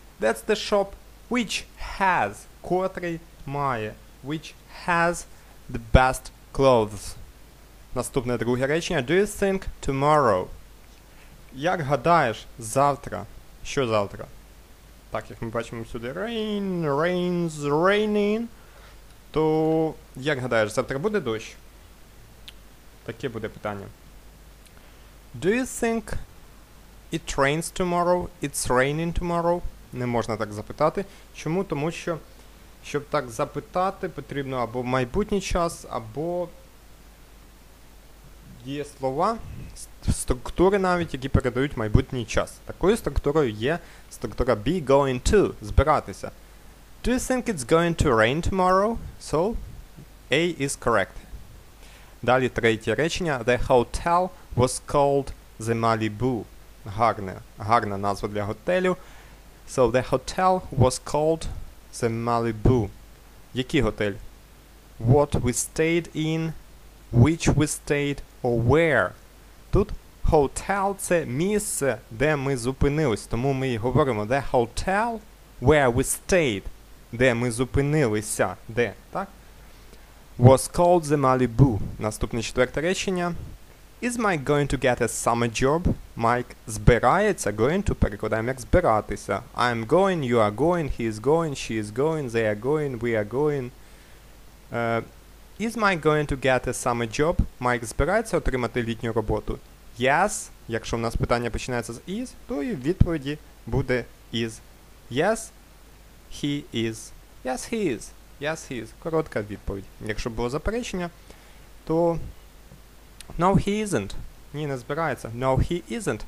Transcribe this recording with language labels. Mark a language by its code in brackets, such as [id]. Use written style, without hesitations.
[en] That's the shop which has, [uk] котрий має, [en] which has the best clothes. [uk] Наступне друге речення. [en] Do you think tomorrow? [uk] Як гадаєш, завтра? Що завтра? Так, як ми бачимо сюди, rain, rains, raining. То, як гадаєш, завтра буде дощ? Таке буде питання. [en] Do you think it rains tomorrow? It's raining tomorrow? [uk] Не можна так запитати. Чому? Тому що, щоб так запитати, потрібно або майбутній час, або є слова, структури навіть, які передають майбутній час. Такою структурою є структура be going to, збиратися. [en] Do you think it's going to rain tomorrow? So, A is correct. [uk] Далі третє речення. [en] The hotel was called the Malibu. [uk] Гарна назва для готелю. [en] So, the hotel was called the Malibu. [uk] Який готель? [en] What we stayed in, which we stayed, or where? [uk] Тут hotel – це місце, де ми зупинились. Тому ми говоримо [en] the hotel where we stayed, [uk] де ми зупинилися. Де, так? [en] Was called the Malibu. [uk] Наступне четверте речення. [en] Is Mike going to get a summer job? Mike збирається, going to, [uk] перекладаємо як збиратися. [en] I am going, you are going, he is going, she is going, they are going, we are going. Is Mike going to get a summer job? [uk] Mike збирається отримати літню роботу? Yes, якщо у нас питання починається з is, то і в відповіді буде is. [en] Yes, he is. Yes, he is. Yes, he is. [uk] Коротка відповідь. Якщо було заперечення, то [en] no, he isn't. [uk] Ні, не збирається. [en] No, he isn't.